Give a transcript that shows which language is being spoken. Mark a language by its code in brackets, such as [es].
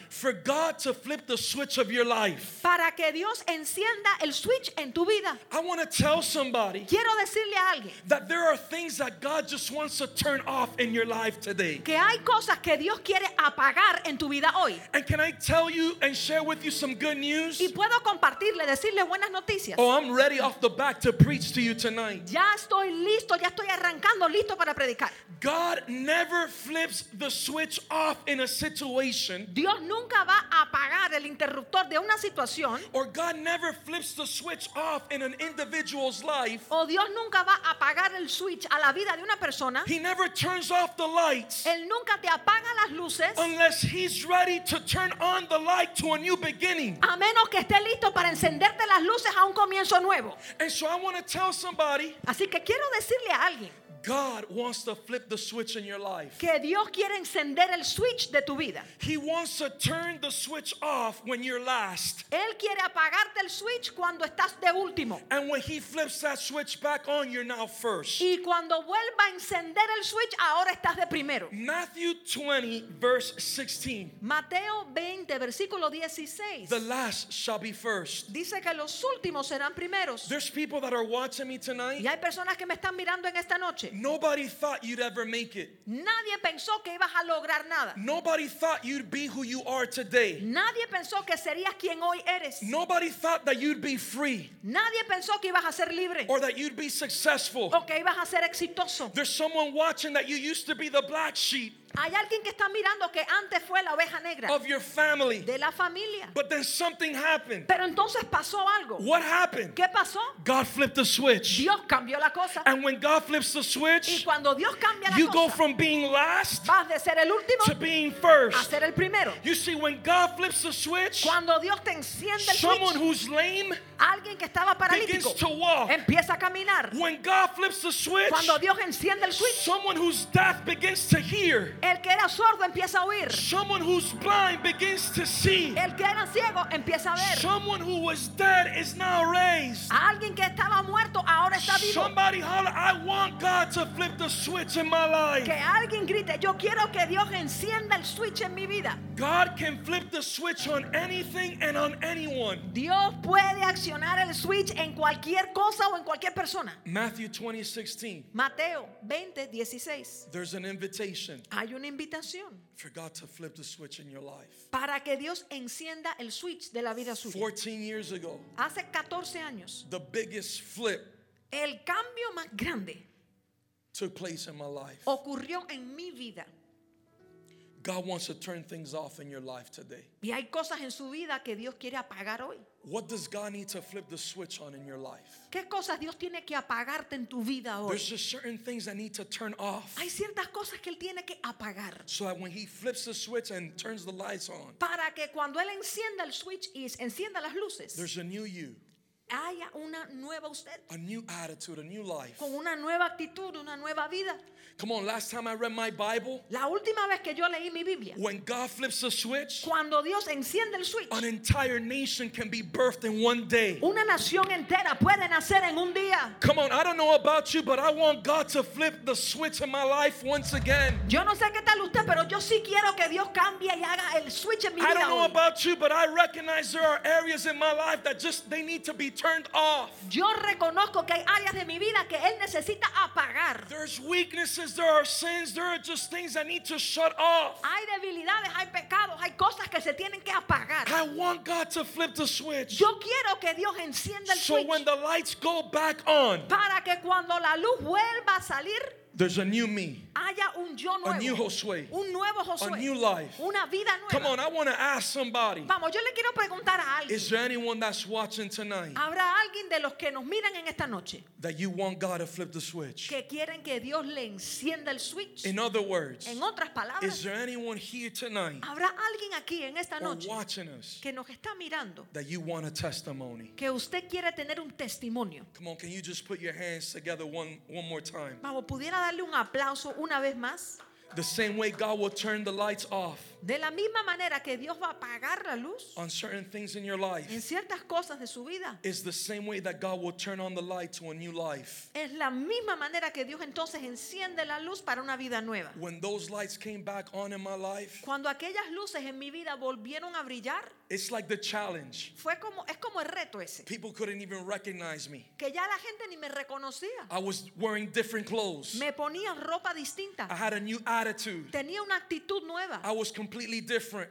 [en] For God to flip the switch of your life. [es] Para que Dios encienda el switch en tu vida. [en] I want to tell somebody. [es] Quiero decirle a alguien. [en] That there are things that God just wants to turn off in your life today. [es] Que hay cosas que Dios quiere apagar en tu vida hoy. [en] And can I tell you and share with you some good news? [es] Y puedo compartirle, decirle buenas noticias. [en] Oh, I'm ready off the back to preach to you tonight. [es] Ya estoy listo, ya estoy arrancando, listo para predicar. [en] God never flips the switch off in a situation. [es] Dios nunca va a apagar el interruptor de una situación. [en] Or God never flips the switch off in an individual's life. [es] O Dios nunca va a apagar el switch a la vida de una persona. [en] He never turns off the lights. [es] Él nunca te apaga las luces. [en] Unless he's ready to turn on the light to a new beginning. [es] A menos que esté listo para encenderte las luces a un comienzo nuevo. [en] And so I want to tell somebody. [es] Así que quiero decirle a alguien. [en] God wants to flip the switch in your life. [es] Que Dios quiere encender el switch de tu vida. [en] He wants to turn the switch off when you're last. [es] Él quiere apagarte el switch cuando estás de último. [en] And when he flips that switch back on, you're now first. [es] Y cuando vuelva a encender el switch, ahora estás de primero. [en] Matthew 20 verse 16. [es] Mateo 20 versículo 16. [en] The last shall be first. [es] Dice que los últimos serán primeros. [en] There's people that are watching me tonight. [es] Y hay personas que me están mirando en esta noche. [en] Nobody thought you'd ever make it. [es] Nadie pensó que ibas a lograr nada. [en] Nobody thought you'd be who you are today. [es] Nadie pensó que serías quien hoy eres. [en] Nobody thought that you'd be free. [es] Nadie pensó que ibas a ser libre. [en] Or that you'd be successful. [es] O que ibas a ser exitoso. [en] There's someone watching that you used to be the black sheep. [es] Hay alguien que está mirando que antes fue la oveja negra. [en] Of your family. [es] De la familia. [en] But then something happened. [es] Pero entonces pasó algo. [en] What happened? [es] ¿Qué pasó? [en] God flipped the switch. [es] Dios cambió la cosa. [en] And when God flips the switch, [es] y cuando Dios cambia la [en] you [es] cosa, [en] go from being last, [es] vas de ser el último, [en] to being first. [es] A ser el primero. [en] You see, when God flips the switch, [es] cuando Dios te enciende el [en] someone someone who's lame, [es] alguien que estaba paralítico, [en] begins to walk. [es] Empieza a caminar. [en] When God flips the switch, [es] cuando Dios enciende el switch, [en] someone who's deaf begins to hear. [es] El que era sordo empieza a oír. [en] Someone who's blind begins to see. [es] El que era ciego empieza a ver. [en] Someone who was dead is now raised. [es] Alguien que estaba muerto ahora está vivo. [en] Somebody holler, I want God to flip the switch in my life. [es] Que alguien grite, yo quiero que Dios encienda el switch en mi vida. [en] God can flip the switch on anything and on anyone. [es] Dios puede accionar el switch en cualquier cosa o en cualquier persona. [en] Matthew 20:16. [es] Mateo 20:16. [en] There's an invitation. [es] Hay una invitación. [en] For God to flip the switch in your life. [es] Para que Dios encienda el switch de la vida suya. [en] 14 years ago. [es] Hace 14 años. [en] The biggest flip. [es] El cambio más grande. [en] Took place in my life. [es] Ocurrió en mi vida. [en] God wants to turn things off in your life today. [es] Y hay cosas en su vida que Dios quiere apagar hoy. [en] What does God need to flip the switch on in your life? [es] ¿Qué cosas Dios tiene que apagarte en tu vida hoy? [en] There's just certain things that need to turn off. [es] Hay ciertas cosas que él tiene que apagar. [en] So that when he flips the switch and turns the lights on. [es] Para que cuando él encienda el switch y encienda las luces. [en] There's a new you. [es] haya una nueva usted. [en] A new attitude, a new life. [es] Con una nueva actitud, una nueva vida. [en] Come on, last time I read my Bible. [es] La última vez que yo leí mi Biblia. [en] When God flips the switch. [es] Cuando Dios enciende el switch. [en] An entire nation can be birthed in one day. [es] Una nación entera puede nacer en un día. [en] Come on, I don't know about you, but I want God to flip the switch in my life once again. [es] Yo no sé qué tal usted, pero yo sí quiero que Dios cambie y haga el switch en mi vida. [en] I don't know about you, but I recognize there are areas in my life that just they need to be turned off. [es] Yo reconozco que hay áreas de mi vida que él necesita apagar. [en] There's weaknesses, there are sins, there are just things I need to shut off. [es] Hay debilidades, hay pecados, hay cosas que se tienen que apagar. [en] I want God to flip the switch. [es] Yo quiero que Dios encienda el [en] switch. So when the lights go back on. [es] Para que cuando la luz vuelva a salir. [en] There's a new me. [es] Haya un yo nuevo. [en] A new Josué. [es] Un nuevo Josué. [en] A new life. [es] Una vida nueva. [en] Come on, I want to ask somebody. [es] Vamos, yo le quiero preguntar a alguien. [en] Is there anyone that's watching tonight? [es] ¿Habrá alguien de los que nos miran en esta noche? [en] That you want God to flip the switch. [es] Que quieren que Dios le encienda el switch. [en] In other words. [es] En otras palabras. [en] Is there anyone here tonight? [es] ¿Habrá alguien aquí en esta noche? [en] Or watching us. [es] Que nos está mirando. [en] That you want a testimony. [es] Que usted quiere tener un testimonio. [en] Come on, can you just put your hands together one more time? [es] Vamos, pudiera darle un aplauso una vez más. [en] The same way God will turn the lights off. [es] De la misma manera que Dios va a apagar la luz. [en] On certain things in your life. [es] En ciertas cosas de su vida. [en] Is the same way that God will turn on the light to a new life. [es] Es la misma manera que Dios entonces enciende la luz para una vida nueva. [en] When those lights came back on in my life. [es] Cuando aquellas luces en mi vida volvieron a brillar. [en] It's like the challenge. [es] Fue como es como el reto ese. [en] People couldn't even recognize me. [es] Que ya la gente ni me reconocía. [en] I was wearing different clothes. [es] Me ponía ropa distinta. [en] I had a new attitude. [es] Tenía una actitud nueva. [en] I was completely different.